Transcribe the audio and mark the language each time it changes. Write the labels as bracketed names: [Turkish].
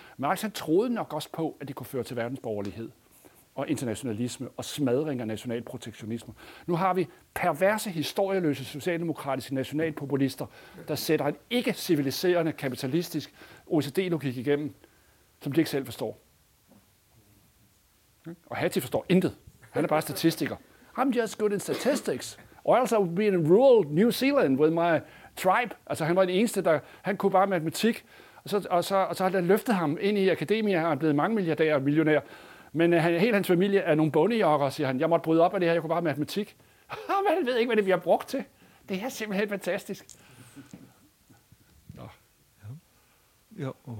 [Danish] Marx han troede nok også på, at det kunne føre til verdensborgerlighed og internationalisme og smadring af national protektionisme. Nu har vi perverse, historieløse socialdemokratiske nationalpopulister, der sætter en ikke-civiliserende kapitalistisk OECD-logik igennem, som de ikke selv forstår. Og Hattie forstår intet. Han er bare statistiker. [English] I'm just good in statistics. Or else I would be in rural New Zealand with my tribe. [Danish] Altså han var den eneste, der han kunne bare matematik. Og så har det løftet ham ind i akademia, og han er blevet mange milliardærer og millionær. Men hele hans familie er nogle bondejokker, siger han. Jeg måtte bryde op af det her, jeg kunne bare matematik. Men han ved ikke, hvad det vi har brugt til. Det er simpelthen fantastisk. Nå. Ja. Ja.